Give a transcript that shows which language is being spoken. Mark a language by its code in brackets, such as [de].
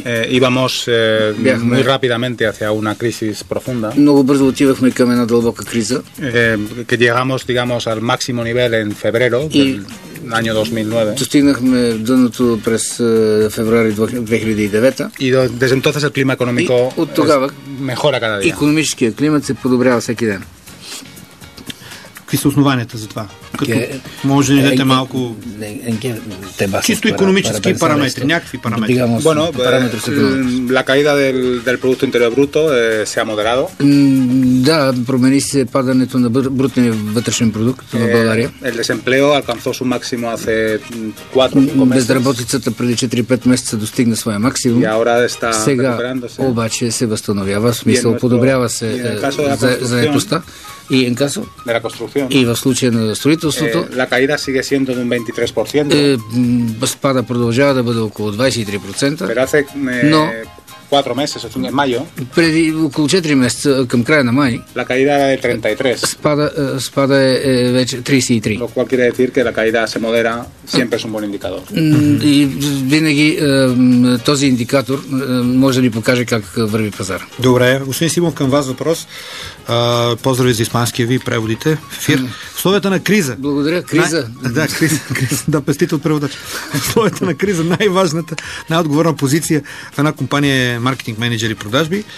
[bg] бяхме [es] muy rápidamente hacia una crisis profunda. [bg] Много бързо отивахме към една дълбока криза. [es] Que llegamos, digamos, al máximo nivel en febrero del año 2009. [bg] Достигнахме дъното през февруари 2009. [es] Y desde entonces el clima económico mejora cada día. [bg] Икономическият климат се подобрява всеки ден. Какви са основанията за това? Може ли да дадете малко чисто икономически параметри, някакви параметри? [es] Bueno, la caída del producto interior bruto se ha moderado. [bg] Да, промени се падането на брутния вътрешен продукт в България. [es] El desempleo alcanzó su máximo hace 4-5 meses. [bg] Безработицата преди 4-5 месеца достигна своя максимум. [es] Y ahora está recuperándose. [bg] Сега обаче се възстановява, в смисъл подобрява се заетостта. [es] И en caso de la construcción. [bg] И в случая на строителството. [es] La caída sigue siendo de un 23%. [bg] Спада продължава да бъде около 23%. [es] Pero hace 4 meses, en mayo. [bg] Преди около 4 месеца, към края на май. [es] La caída era de 33. [bg] Спада е вече 33. [es] Lo cual quiere decir que la caída se modera, siempre es un buen indicador. [bg] И винаги този индикатор може да ни покаже как върви пазар. Добре, господин Симов, към вас въпрос. Поздрави за испанския ви, преводите в ефир. Условията на криза. Благодаря, криза. Криза. Да, пестите от преводача. Условията на криза, най-важната, най-отговорна позиция в една компания е маркетинг менеджер и продажби.